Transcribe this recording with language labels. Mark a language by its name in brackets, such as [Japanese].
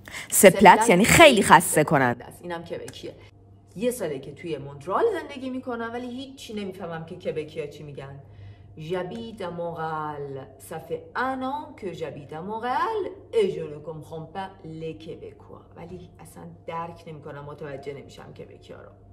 [Persian] سپلت یعنی خیلی خسته کننده است. اینم کبکیه. یه ساله که توی مونترال زندگی میکنم ولی هیچی نمیفهمم که کبکی ها چی میگن. [French] J'habite à Montréal. Ça fait un an que j'habite à Montréal et je ne comprends pas les Québécois. [Persian] ولی اصلا درک نمی کنم، متوجه نمیشم کبکی ها رو.